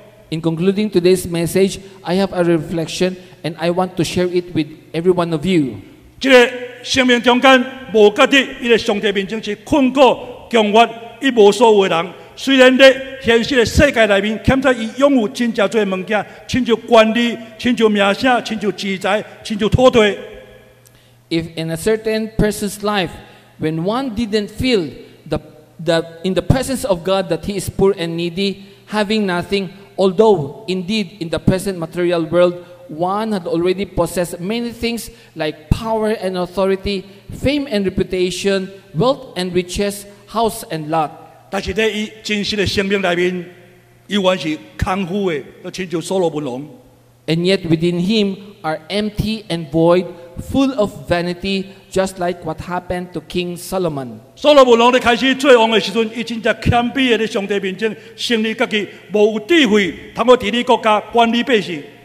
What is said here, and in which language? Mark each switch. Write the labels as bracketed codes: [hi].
[en] In concluding today's message, I have a reflection and I want to share it with every one of you. [nan] 这个生命中间无家的，伊在上帝面前是困苦、穷乏、一无所有的人。虽然在现实的世界内面，欠在伊拥有真正多的物件，亲像权力、亲像名声、亲像钱财、亲像土地。 [en] If in a certain person's life, when one didn't feel that in the presence of God that he is poor and needy, having nothing, although indeed in the present material world, one had already possessed many things like power and authority, fame and reputation, wealth and riches, house and lot. [nan] 但是在伊真实的生命里面，依然是空虚的，就亲像所罗门王。 [en] And yet within him are empty and void, full of vanity, just like what happened to King Solomon. Solomon at the beginning of the time, he was really humble in front of God, admitting that he had no wisdom to lead the country, govern the people.